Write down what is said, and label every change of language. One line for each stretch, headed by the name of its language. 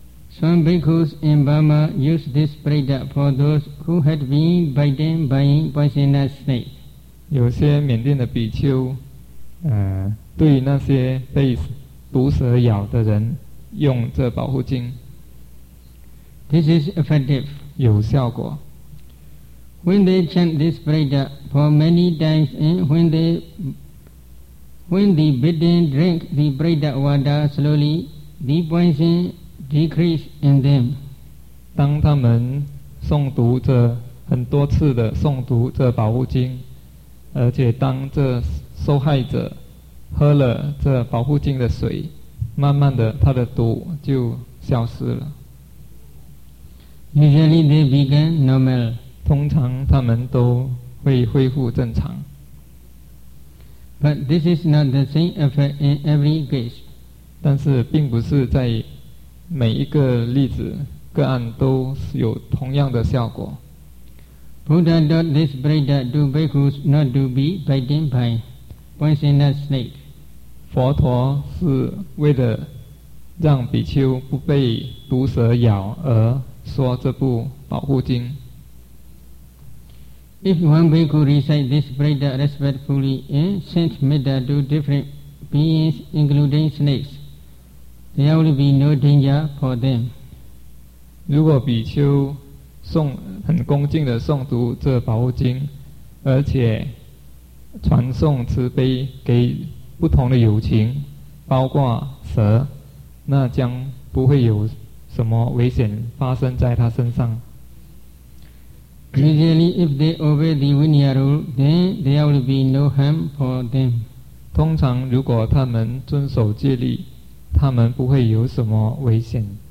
English: Some bhikkhus in Burma use this Brida for those who had been bitten by poisonous snake.
Chinese: 有些缅甸的比丘对那些被毒蛇咬的人用这保护经。
English: This is effective.
Chinese: 有效果。
English: When they chant this prayer for many times and when the bitten drink the prayer water slowly, the poison decreases in them.
Chinese: 当他们诵读这很多次的诵读这保护经，而且当这受害者喝了这保护经的水，慢慢的他的毒就消失了。
English: Usually they begin normal.
Chinese: 通常他们都会恢复正常。
English: But this is not the same effect in every case.
Chinese: 但是并不是在每一个例子个案都有同样的效果。
English: Buddha taught this Brida to bhikkhus not to be bitten by poisonous snake.
Chinese: 佛陀是为了让比丘不被毒蛇咬而说这部保护经。
English: If one bhikkhu recites this Brida respectfully and sends metta to different beings, including snakes, there will be no danger for them.
Chinese: 如果比丘诵很恭敬地诵读这保护经，而且传送慈悲给不同的友情，包括蛇，那将不会有什么危险发生在他身上。
English: Usually, if they obey the Vinaya rule, then there will be no harm for them.
Chinese: 通常如果他们遵守戒律，他们不会有什么危险。